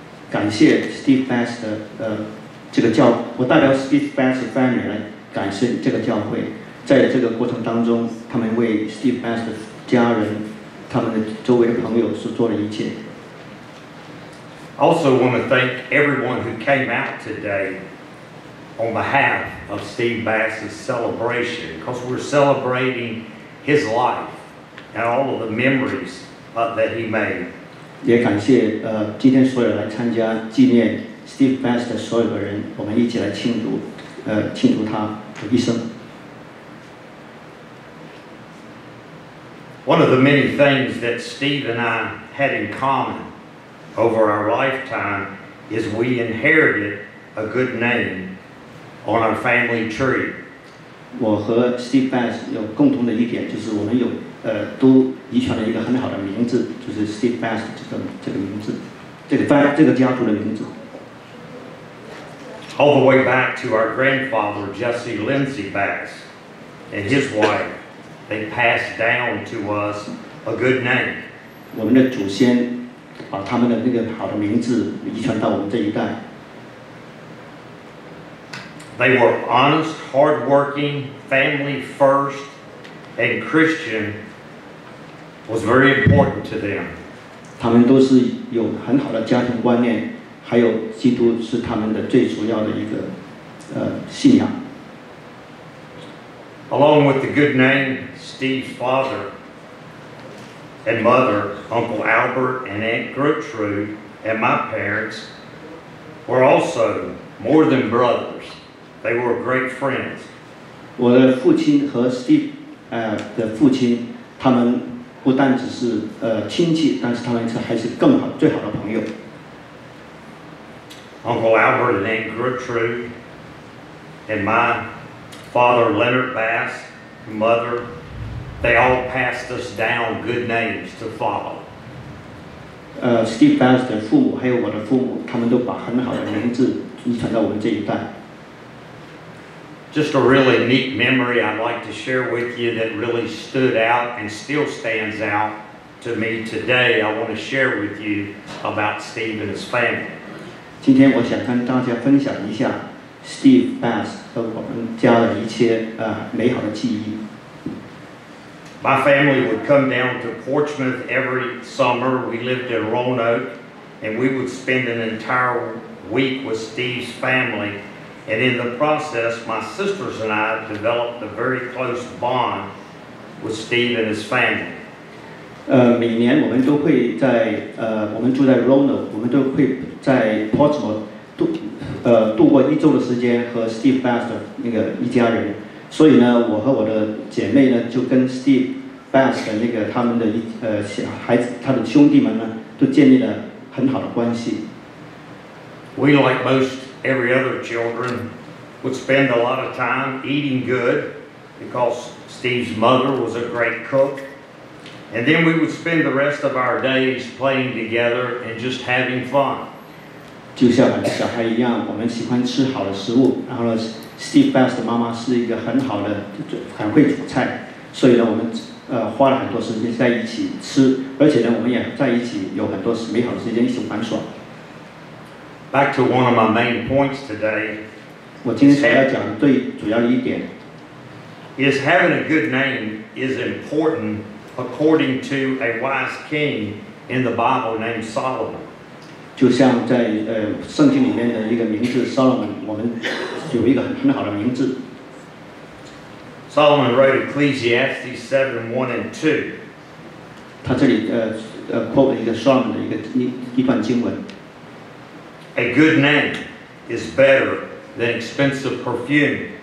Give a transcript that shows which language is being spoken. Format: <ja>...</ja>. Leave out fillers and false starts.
<zh>感谢 Steve Bass 的这个教，我代表 Steve Bass 的 family 来感谢这个教会，在这个过程当中，他们为 Steve Bass 的家人，他们的周围的朋友所做的一切。</zh> <en>Also, want to thank everyone who came out today on behalf of Steve Bass's celebration, because we're celebrating his life. And all of the memories that he made.</en> <zh>也感谢今天所有来参加纪念 Steve Bass 的所有的人，我们一起来庆祝，庆祝他的一生。</zh> <en>One of the many things that Steve and I had in common over our lifetime is we inherited a good name on our family tree.</en> <zh>我和 Steve Bass 有共同的一点，就是我们有。都遗传了一个很好的名字，就是 Steve Bass 这个名字，这个家族的名字。</zh> <en>All the way back to our grandfather Jesse Lindsay Bass and his wife, they passed down to us a good name.</en> <zh>我们的祖先把他们的那个好的名字遗传到我们这一代。</zh> <en>They were honest, hardworking, family first, and Christian. Was very important to them.</en> <zh>他们都是有很好的家庭观念，还有基督是他们的最主要的一个信仰。</zh> <en>Along with the good name, Steve's father and mother, Uncle Albert and Aunt Gertrude, and my parents were also more than brothers. They were great friends.</en> <zh>我的父亲和 Steve 的父亲，他们不但只是亲戚，但是他们还是更好最好的朋友。</zh> <en>Uncle Albert and Aunt Gertrude and my father Leonard Bass, mother, they all passed us down good names to follow.</en> <zh>Steve Bass 的父母还有我的父母，他们都把很好的名字遗传到我们这一代。</zh> <en>Just a really neat memory I'd like to share with you that really stood out and still stands out to me today. I want to share with you about Steve and his family.</en> <zh>今天我想跟大家分享一下 Steve Bass 和我们家的一些美好的记忆。</zh> <en>My family would come down to Portsmouth every summer. We lived in Roanoke, and we would spend an entire week with Steve's family. And in the process, my sisters and I developed a very close bond with Steve and his family.</en> <zh>每年我们都会在我们住在 Roanoke， 我们都会在 Portsmouth 度过一周的时间和 Steve Bass 的那个一家人。所以呢，我和我的姐妹呢，就跟 Steve Bass 的那个他们的小孩子，他的兄弟们呢，都建立了很好的关系。</zh> <en>We like most every other children would spend a lot of time eating good because Steve's mother was a great cook. And then we would spend the rest of our days playing together and just having fun.</en> <zh>就像我们小孩一样，我们喜欢吃好的食物。然后呢 ，Steve Bass 的妈妈是一个很好的、很会煮菜，所以呢，我们花了很多时间在一起吃，而且呢，我们也在一起有很多美好的时间一起玩耍。</zh> <en>Back to one of my main points today.</en> <zh>我今天想要讲最主要的一点</zh> <en>is having a good name is important according to a wise king in the Bible named Solomon.</en> <zh>就像在圣经里面的一个名字 Solomon， 我们有一个很好的名字。</zh> <en>Solomon wrote Ecclesiastes 7:1-2.</en> <zh>他这里quote 了一个 Solomon 的一段经文。</zh> <en>A good name is better than expensive perfume.</en>